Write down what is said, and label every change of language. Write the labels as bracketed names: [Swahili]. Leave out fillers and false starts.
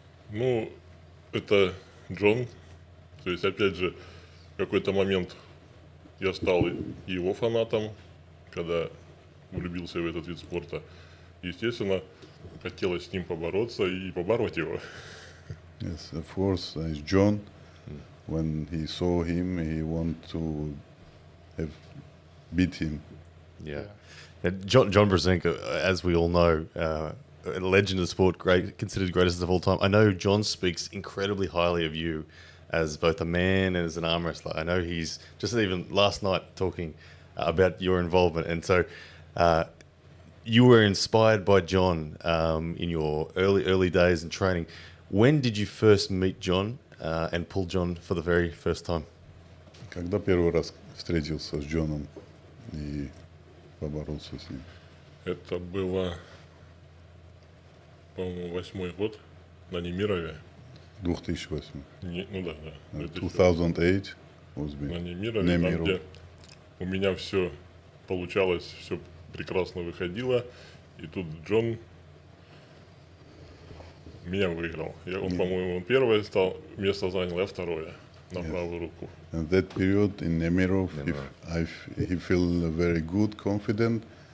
[Russian] Ну, это Джон. То есть, опять же, в какой-то момент я стал его фанатом, когда влюбился в этот вид спорта. Естественно, хотелось с ним побороться и побороть его. [English] Yes, of course, it's John. When he saw him, he wanted to have beat him. Yeah. John Brzezinka, as we all know, a legend of the sport, considered greatest of all time. I know John speaks incredibly highly of you as both a man and as an arm wrestler. I know he's just even last night talking about your involvement. And so you were inspired by John in your early days in training. When did you first meet John and pull John for the very first time? [Russian] Когда первый раз встретился с Джоном и... поборолся с ним. Это было, по-моему, 2008 год на Немирове. 2008. Да. 2008. На Немирове. Немиров. Там, где у меня все получалось, все прекрасно выходило, и тут Джон меня выиграл. По-моему, он первое стал место занял, я второе. [English] And that period in Nemirov, he feel very good, confident.